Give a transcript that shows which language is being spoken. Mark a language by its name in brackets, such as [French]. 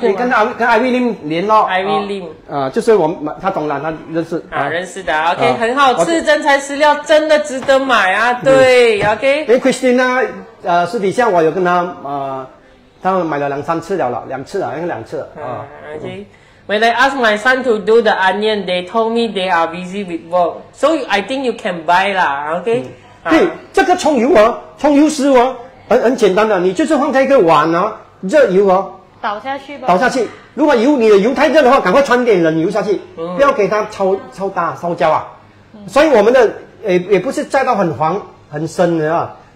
[Chinese] 你跟 Ivy Lim 联络。 Ivy Lim，就是我们他懂了，他认识。认识的 ，OK，很好吃，真材实料，真的值得买啊！对，OK。哎 ，Christina， 私底下我有跟他他买了两次了。 OK。 [English] When I asked my son to do the onion, they told me they are busy with work. So I think you can buy lah, okay? [Chinese] 对，这个葱油啊，葱油丝啊，很简单的，你就是放在一个碗啊，热油啊，倒下去吧。倒下去，如果油你的油太热的话，赶快穿点冷油下去，不要给它超大烧焦啊。所以我们的也不是炸到很黄很深的啊。